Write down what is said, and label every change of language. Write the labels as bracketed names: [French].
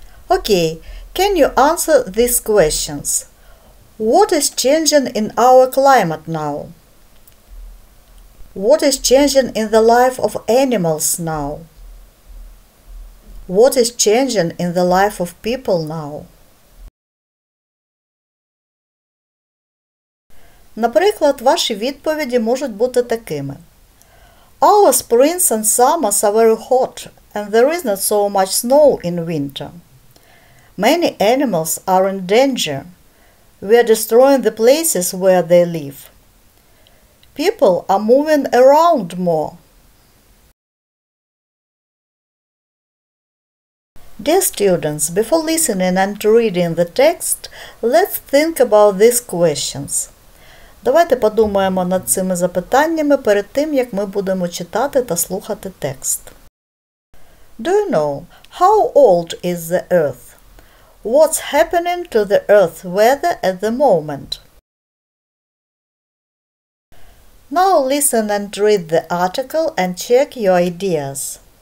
[English] Okay, can you answer these questions? What is changing in our climate now? What is changing in the life of animals now? What is changing in the life of people now? [Ukrainian] Наприклад, ваші відповіді можуть бути такими. [English] Our springs and summers are very hot, and there is not so much snow in winter. Many animals are in danger. We are destroying the places where they live. People are moving around more. Dear students, before listening and reading the text, let's think about these questions. [Ukrainian] Давайте подумаємо над цими запитаннями перед тим, як ми будемо читати та слухати текст. [English] Do you know how old is the Earth? What's happening to the Earth weather at the moment? Now listen and read the article and check your ideas.